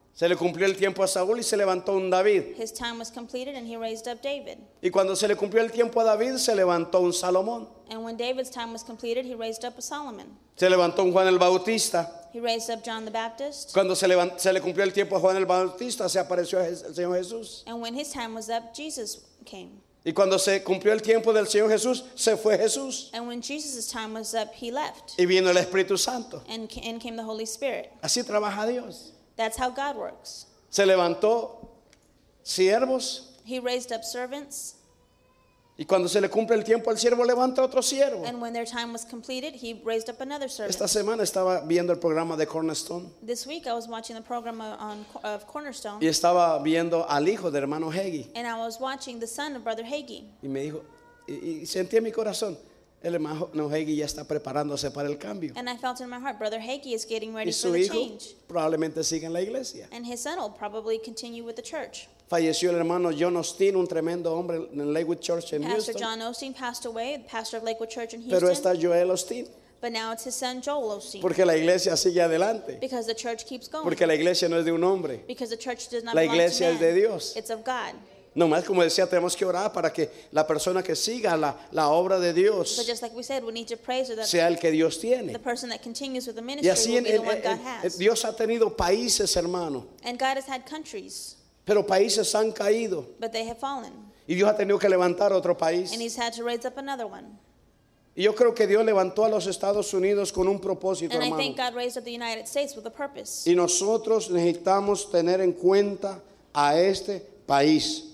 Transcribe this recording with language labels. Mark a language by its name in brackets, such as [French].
[Spanish] Se le cumplió el tiempo a Saúl y se levantó un David. [English] His time was completed and he raised up David. [Spanish] Y cuando se le cumplió el tiempo a David, se levantó un Salomón. [English] And when David's time was completed, he raised up a Solomon. [Spanish] Se levantó un Juan el Bautista. [English] He raised up John the Baptist. [Spanish] Cuando se le cumplió el tiempo a Juan el Bautista, se apareció el Señor Jesús. [English] And when his time was up, Jesus came. [Spanish] Y cuando se cumplió el tiempo del Señor Jesús, se fue Jesús. [English] And when Jesus' time was up, he left. [Spanish] Y vino el Espíritu Santo. [English] And in came the Holy Spirit. [Spanish] Así trabaja Dios. [English] That's how God works. [Spanish] Se levantó siervos. [English] He raised up servants. [Spanish] Y cuando se le cumple el tiempo al siervo, levanta otro siervo. [English] And when their time was completed, he raised up another servant. [Spanish] Esta semana estaba viendo el programa de Cornerstone. [English] This week I was watching the program of Cornerstone. [Spanish] Y estaba viendo al hijo del hermano Hagee. [English] And I was watching the son of Brother Hagee. [Spanish] Y me dijo, y sentí en mi corazón, el hermano Hagee ya está preparándose para el cambio. [English] And I felt in my heart, Brother Hagee is getting ready for the change. [Spanish] Y su hijo probablemente sigue en la iglesia. [English] And his son will probably continue with the church. [Spanish] Falleció el hermano John Osteen, un tremendo hombre en Lakewood Church en Houston. [English] Pastor John Osteen passed away, the pastor of Lakewood Church in Houston. [Spanish] Pero está Joel Osteen. [English] But now it's his son Joel Osteen. [Spanish] Porque la iglesia sigue adelante. [English] Because the church keeps going. [Spanish] Porque la iglesia no es de un hombre. [English] Because the church does not belong to man. [Spanish] La iglesia es de Dios. [English] It's of God. [Spanish] No más, como decía, tenemos que orar para que la persona que siga la obra de Dios sea el que Dios tiene. [English] The person that continues with the ministry will be the one God has. [Spanish] Dios ha tenido países, hermano. [English] And God has had countries. [Spanish] Pero países han caído. [English] But they have fallen. [Spanish] Y Dios ha tenido que levantar otro país. [English] And he's had to raise up another one. [Spanish] Y yo creo que Dios levantó a los Estados Unidos con un propósito, [English] and [Spanish] hermano. [English] I think God raised up the United States with a purpose. [Spanish] Y nosotros necesitamos tener en cuenta a este país.